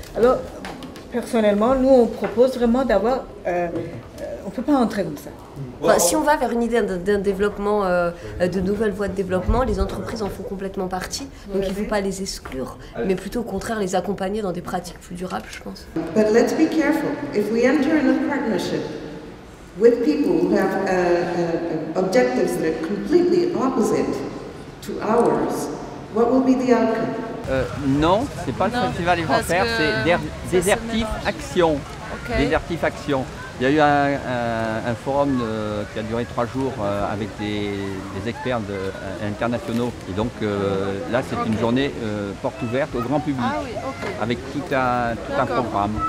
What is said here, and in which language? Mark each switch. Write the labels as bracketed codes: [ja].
[fr] Alors, personnellement, nous, on propose vraiment d'avoir... on ne peut pas entrer comme ça. Enfin, si on va vers une idée d'un développement, de nouvelles voies de développement, les entreprises en font complètement partie. Donc, il ne faut pas les exclure, mais plutôt, au contraire, les accompagner dans des pratiques plus durables, je pense. [en] But let's be careful. If we enter in a partnership with people who have objectives that are completely opposite to ours, what will be the outcome? [fr] Non, ce n'est pas le festival des enfers, c'est Désertif Action. [en] Okay. [fr] Désertif Action. Il y a eu un forum qui a duré 3 jours avec des experts internationaux. Et donc là, c'est une journée porte ouverte au grand public, avec tout un programme.